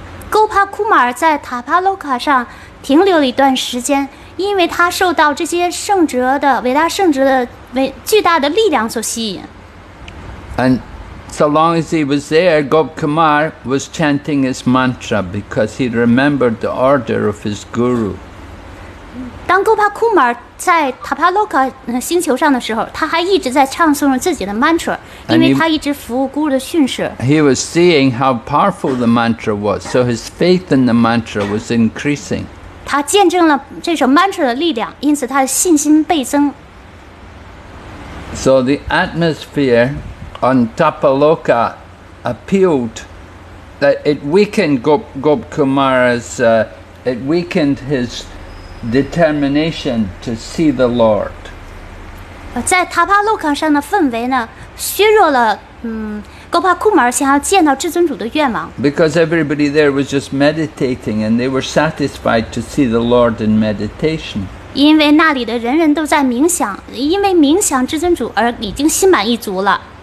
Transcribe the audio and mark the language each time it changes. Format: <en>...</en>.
<zh>Gopa Kumar 在塔帕洛卡上停留了一段时间，因为他受到这些圣哲的伟大圣哲的巨大的力量所吸引。</zh> <en>So long as he was there, Gop Kumar was chanting his mantra because he remembered the order of his guru.</en> <zh>当 Gopa Kumar 在 Tapaloka 星球上的时候，他还一直在唱诵着自己的 mantra， 因为他一直服务 guru 的训示。</zh> <en>He was seeing how powerful the mantra was, so his faith in the mantra was increasing.</en> <zh>他见证了这首 mantra 的力量，因此他的信心倍增。</zh> <en>So the atmosphere. On Tapoloka appealed that it weakened Gop Kumar's it weakened his determination to see the Lord.</en> <zh>在塔帕洛卡上的氛围呢，削弱了Gopa Kumar 想要见到至尊主的愿望。</zh> <en>Because everybody there was just meditating, and they were satisfied to see the Lord in meditation.</en> <zh>因为那里的人人都在冥想，因为冥想至尊主而已经心满意足了。</zh>